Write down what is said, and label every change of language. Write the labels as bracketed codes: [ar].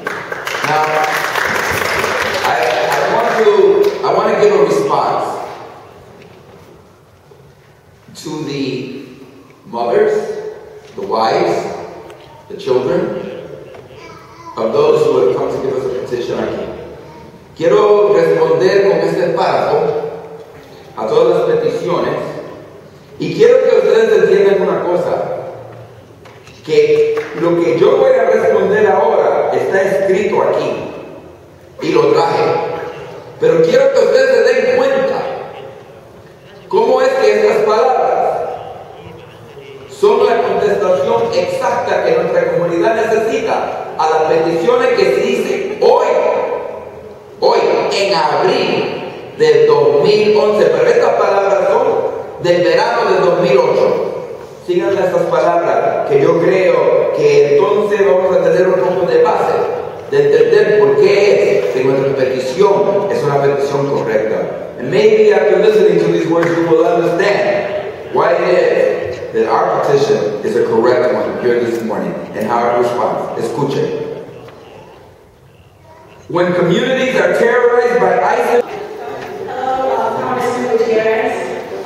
[en] Now, I want to give a response to the mothers, the wives, the children of those who have come to give us a petition. [es] Quiero responder con este párrafo a todas las peticiones y quiero que ustedes entiendan una cosa, que lo que yo voy a responder ahora está escrito aquí y lo traje, pero quiero que ustedes se den cuenta cómo es que estas palabras son la contestación exacta que nuestra comunidad necesita a las peticiones que se dice hoy. Hoy, en abril del 2011, pero estas palabras son del verano del 2008. Síganme estas palabras, que yo creo que entonces vamos a tener un poco de base de entender por qué es que nuestra petición es una petición correcta. [en] And maybe after listening to these words, you will understand why it is that our petition is a correct one here this morning and how it responds. [es] Escuchen. [en] When communities are terrorized by ISIS. Hello, Congressman Gutierrez.